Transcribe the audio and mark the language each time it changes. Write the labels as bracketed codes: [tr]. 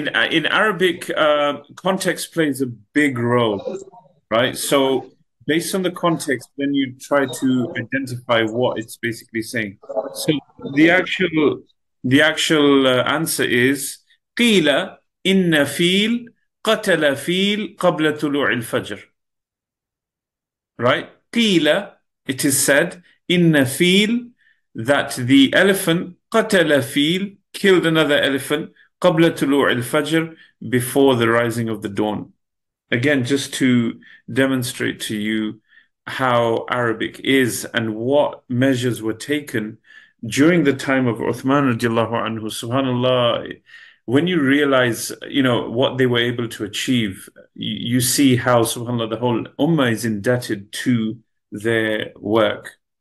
[en] In Arabic, context plays a big role, right? So, based on the context, then you try to identify what it's basically saying. So the actual answer is [ar] قيل إن فيل قتل فيل قبل طلوع الفجر. [en] Right? [ar] قيل, [en] it is said, [ar] إن فيل, [en] that the elephant [ar] قتل فيل, [en] killed another elephant [ar] قبل طلوع الفجر, [en] before the rising of the dawn. Again, just to demonstrate to you how Arabic is and what measures were taken during the time of Uthman radiallahu anhu, subhanAllah, when you realize, what they were able to achieve, you see how, subhanAllah, the whole ummah is indebted to their work.